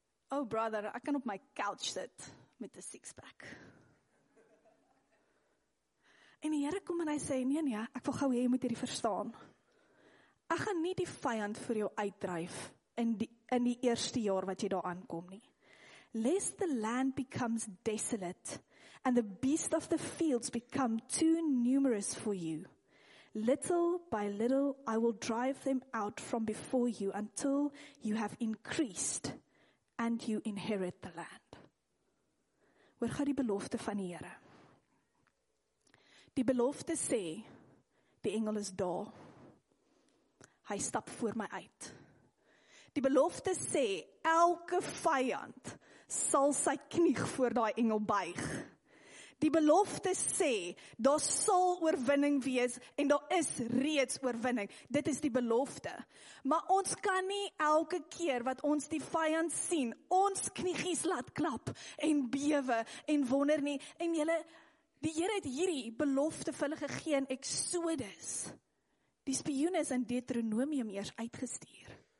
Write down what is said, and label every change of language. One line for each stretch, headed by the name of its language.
Afrikaans: Oh brother, ek kan op my couch sit met 'n six-pack. En die Here kom en hy sê, nee, ek wil gou hê jy moet hierdie verstaan. Ek gaan nie die vyand vir jou uitdryf in die eerste jaar wat jy daar aankom nie.
English: lest the land becomes desolate and the beasts of the fields become too numerous for you. Little by little, I will drive them out from before you until you have increased and you inherit the land.
Afrikaans: Hoor gou die belofte van die Here. Die belofte sê, die engel is daar. Hy stap voor my uit. Die belofte sê, elke vyand sal sy knieg voor daai engel buig. Die belofte sê, daar sal oorwinning wees en daar is reeds oorwinning. Dit is die belofte. Maar ons kan nie elke keer wat ons die vyand sien, ons kniegies laat klap en bewe en wonder nie. En jylle, die Here het hierdie belofte vir hulle gegee in Exodus. Die spioen is in Deuteronomium eers uitgestuur.